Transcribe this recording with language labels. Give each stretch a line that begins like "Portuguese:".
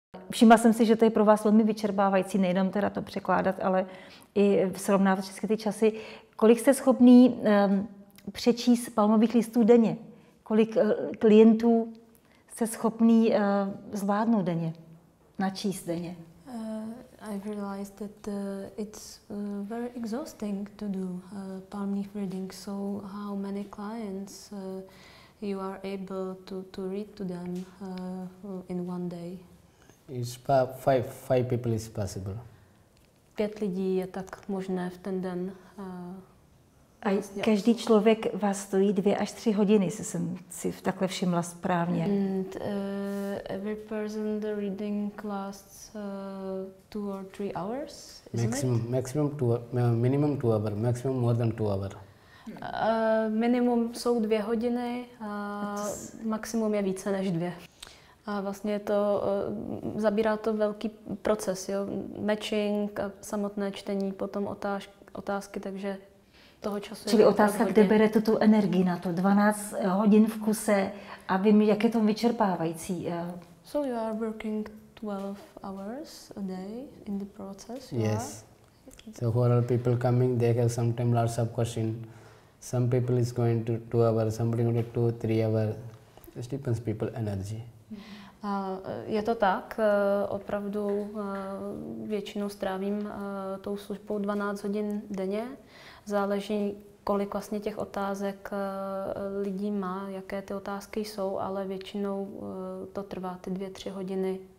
Czech: Všimla jsem si, že to je pro vás velmi vyčerpávající, nejenom teda to překládat, ale i srovnávat všechny ty časy. Kolik jste schopný přečíst palmových listů denně? Kolik klientů jste schopný zvládnout denně, načíst denně?
English: I realized that it's very exhausting to do palm leaf reading. So how many clients you are able to read to them in one day? It's about five people is possible.
Czech: Pět lidí je tak možné v ten den. A každý člověk vás stojí 2 až 3 hodiny, se jsem si takhle všimla správně.
English: And every person the reading lasts 2 or 3 hours, isn't minimum 2 hours, maximum more than 2 hours.
Czech: Minimum jsou 2 hodiny, a maximum je více než 2. A vlastně to zabírá to velký proces, jo, matching a samotné čtení, potom otázky, takže toho času. Čili otázka, kde berete tu energii na to? 12 hodin v kuse, a vím, jak je to vyčerpávající.
English: So you are working 12 hours a day in the process? Yes. Are? So for all people coming, they have sometimes lots of questions. Some people is going to 2 hours, somebody going to 2-3 hours. It depends people energy.
Czech: Je to tak, opravdu většinou strávím tou službou 12 hodin denně. Záleží, kolik vlastně těch otázek lidí má, jaké ty otázky jsou, ale většinou to trvá ty 2-3 hodiny.